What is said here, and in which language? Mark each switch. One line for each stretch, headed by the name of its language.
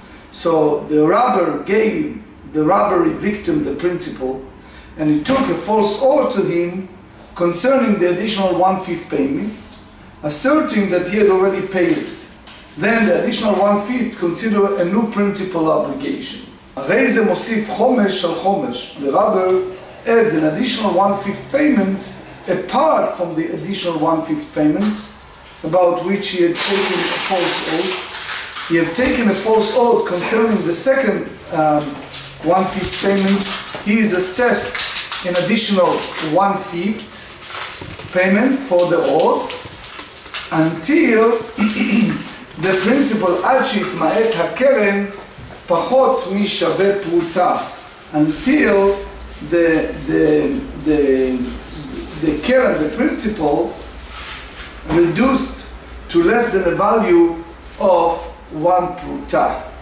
English: So the robber gave the robbery victim the principal, and he took a false oath to him concerning the additional 1/5 payment, asserting that he had already paid it. Then the additional 1/5 consider a new principal obligation.
Hebrew: הרי זה מוסיף חומש על חומש.
English: The robber adds an additional 1/5 payment apart from the additional 1/5 payment about which he had taken a false oath. He had taken a false oath concerning the second 1/5 payment. He is assessed an additional 1/5 payment for the oath until the principal
Hebrew: achit ma'et ha-keren pachot mishave pruta,
English: until the keren, the principal, reduced to less than the value of one pruta.